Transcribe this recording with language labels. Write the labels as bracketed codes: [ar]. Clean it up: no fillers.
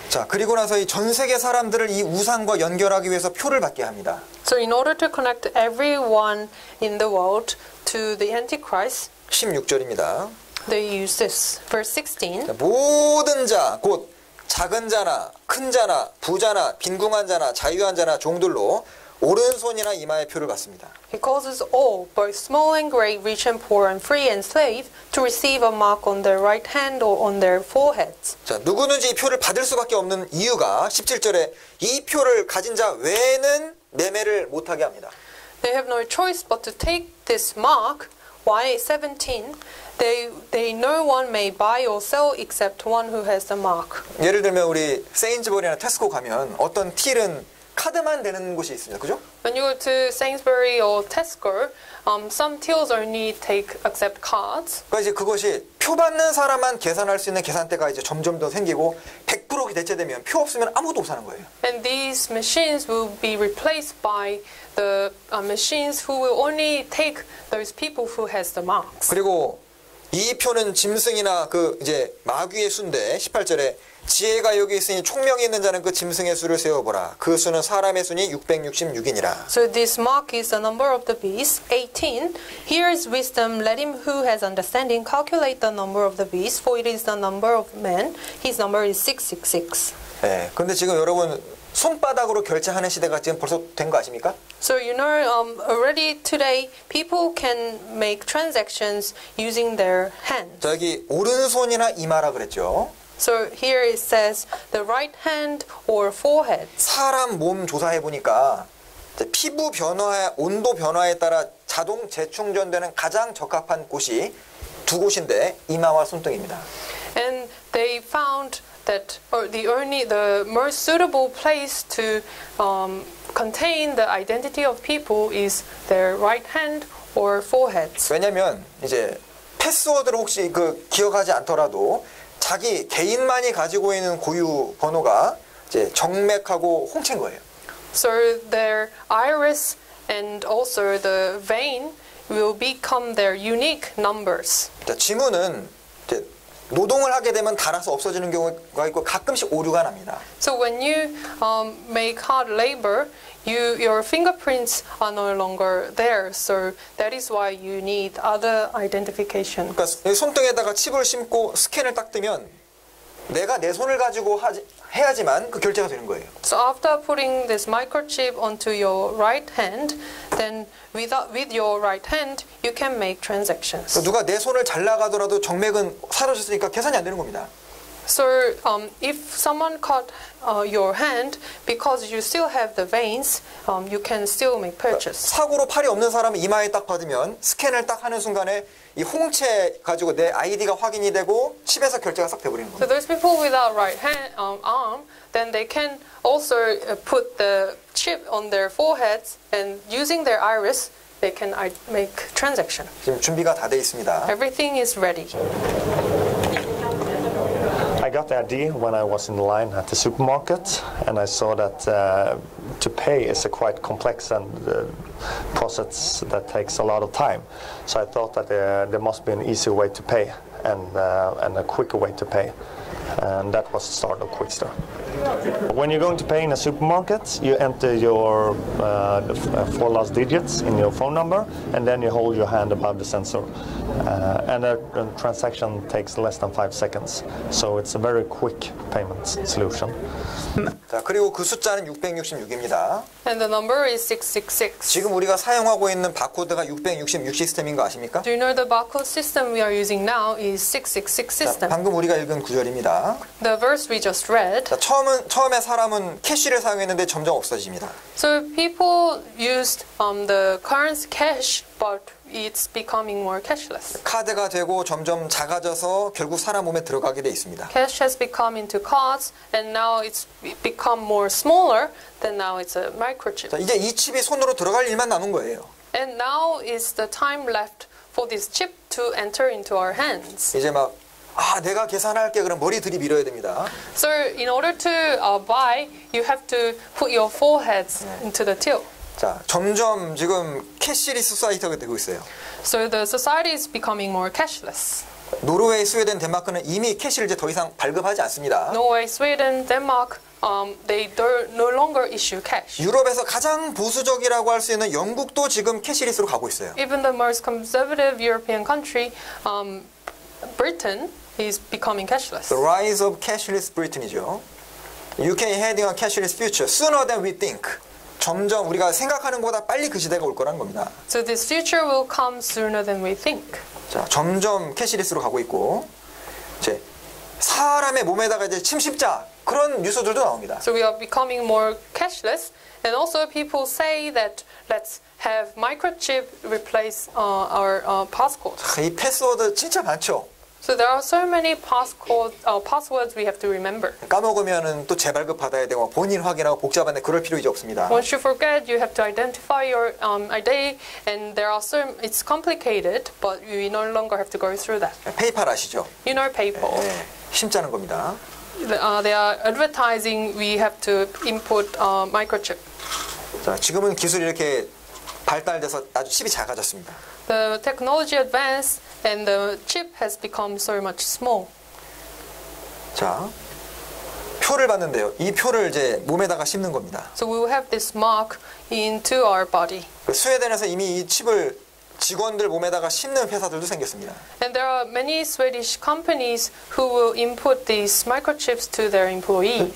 [ko] 자, 그리고 나서 이 전 세계 사람들을 이 우상과 연결하기 위해서 표를 받게 합니다. [en] So in order to connect everyone in the world to the Antichrist. [ko] 16절입니다. [en] They use this. Verse 16. [ko] 자, 모든 자, 곧 작은 자나 큰 자나 부자나 빈궁한 자나 자유한 자나 종들로 오른손이나 이마에 표를 받습니다. [en] He causes all, both small and great, rich and poor and free and slave, to receive a mark on their right hand or on their foreheads. [ko] 자, 누구든지 이 표를 받을 수밖에 없는 이유가 17절에 이 표를 가진 자 외에는 매매를 못하게 합니다. [en] They have no choice but to take this mark. Why 17? They no one may buy or sell except one who has the mark. [ko] 예를 들면 우리 세인즈버리나 테스코 가면 어떤 틸은 카드만 되는 곳이 있습니다. 그죠? [en] When you go to Sainsbury or Tesco, some tills only take accept cards. [ko] 그러니까 이제 그것이 표 받는 사람만 계산할 수 있는 계산대가 이제 점점 더 생기고 100% 대체되면 표 없으면 아무도 못 사는 거예요. [en] And these machines will be replaced by the machines who will only take those people who has the marks. [ko] 그리고 이 표는 짐승이나 그 이제 마귀의 수인데 18절에 지혜가 여기 있으니 총명이 있는 자는 그 짐승의 수를 세어보라. 그 수는 사람의 수니 666이니라. [en] So this mark is the number of the beast, 18. Here is wisdom. Let him who has understanding calculate the number of the beast, for it is the number of men. His number is 666. [ko] 예, 근데 지금 여러분 손바닥으로 결제하는 시대가 지금 벌써 된 거 아십니까? [en] So you know already today people can make transactions using their hands. [ko] 여기 오른손이나 이마라 그랬죠. [en] So here it says the right hand or forehead. [ko] 사람 몸 조사해 보니까 피부 변화에 온도 변화에 따라 자동 재충전되는 가장 적합한 곳이 두 곳인데 이마와 손등입니다. [en] And they found that the most suitable place to contain the identity of people is their right hand or foreheads. [ko] 왜냐면 이제 패스워드를 혹시 그 기억하지 않더라도 자기 개인만이 가지고 있는 고유 번호가 이제 정맥하고 홍채인 거예요. [en] So their iris and also the vein will become their unique numbers. [ko] 자, 지문은 이제 노동을 하게 되면 닳아서 없어지는 경우가 있고 가끔씩 오류가 납니다. [en] So when you make hard labor, your fingerprints are no longer there. So that is why you need other identification. [ko] 그러니까 손등에다가 칩을 심고 스캔을 딱 뜨면 내가 내 손을 가지고 해야지만 그 결제가 되는 거예요. [en] So after putting this microchip onto your right hand, then with your right hand, you can make transactions. [ko] 누가 내 손을 잘라가더라도 정맥은 사라졌으니까 계산이 안 되는 겁니다. [en] So if someone cut your hand, because you still have the veins, you can still make purchase. [ko] 사고로 팔이 없는 사람은 이마에 딱 받으면 스캔을 딱 하는 순간에 이 홍채 가지고 내 아이디가 확인이 되고 칩에서 결제가 싹 돼버리는 거예요. [en] So those people without right hand arm, then they can also put the chip on their foreheads and using their iris, they can make transaction. [ko] 지금 준비가 다 돼 있습니다. [en] Everything is ready. I got the ID when I was in line at the supermarket, and I saw that to pay is a quite complex and process that takes a lot of time. So I thought that there must be an easier way to pay and a quicker way to pay. and that was the start of Quickstar. When you're going to pay in a supermarket, you enter your four last digits in your phone number, and then you hold your hand above the sensor. And a transaction takes less than 5 seconds. So it's a very quick payment solution. [ko] 자, 그리고 그 숫자는 666입니다. [en] And the number is 666. [ko] 지금 우리가 사용하고 있는 바코드가 666 시스템인 거 아십니까? [en] Do you know the barcode system we are using now is 666 system? [ko] 자, 방금 우리가 읽은 구절입니다. [en] The verse we just read. [ko] 자, 처음에 사람은 캐시를 사용했는데 점점 없어집니다. [en] So people used the current cash, but it's becoming more cashless. [ko] 카드가 되고 점점 작아져서 결국 사람 몸에 들어가게 돼 있습니다. [en] Cash has become into cards and now it's become more smaller than now it's a microchip. [ko] 자, 이제 이 칩이 손으로 들어갈 일만 남은 거예요. [en] And now is the time left for this chip to enter into our hands. [ko] 이제 막 아, 내가 계산할게. 그럼 머리 들이밀어야 됩니다. [en] So in order to buy, you have to put your foreheads into the till. [ko] 자, 점점 지금 캐시리스 사이트가 되고 있어요. [en] So the society is becoming more cashless. [ko] 노르웨이, 스웨덴, 덴마크는 이미 캐시를 이제 더 이상 발급하지 않습니다. [en] Norway, Sweden, Denmark, they no longer issue cash. [ko] 유럽에서 가장 보수적이라고 할 수 있는 영국도 지금 캐시리스로 가고 있어요. [en] Even the most conservative European country, Britain is becoming cashless. The rise of cashless Britain이죠. UK heading on cashless future sooner than we think. [ko] 점점 우리가 생각하는 것보다 빨리 그 시대가 올 거라는 겁니다. [en] So this future will come sooner than we think. [ko] 자, 점점 캐시리스로 가고 있고 이제 사람의 몸에다가 이제 침 심자 그런 뉴스들도 나옵니다. [en] So we are becoming more cashless and also people say that let's have microchip replace our passcode. [ko] 자, 이 패스워드 진짜 많죠. [en] So there are so many passwords we have to remember. [ko] 까먹으면은 또 재발급 받아야 되고 본인 확인하고 복잡한데 그럴 필요 이제 없습니다. [en] Once you forget, you have to identify your ID, and there are so it's complicated, but you no longer have to go through that. [ko] 페이팔 아시죠? [en] You know PayPal. 네, [ko] 심짜는 겁니다. [en] They are advertising. We have to input microchip. [ko] 자, 지금은 기술이 이렇게 발달돼서 아주 칩이 작아졌습니다. [en] The technology advanced and the chip has become so much small. [ko] 자, 표를 받는데요. 이 표를 이제 몸에다가 심는 겁니다. [en] So we will have this mark into our body. [ko] 스웨덴에서 이미 이 칩을 직원들 몸에다가 심는 회사들도 생겼습니다. [en] And there are many Swedish companies who will input these microchips to their employees.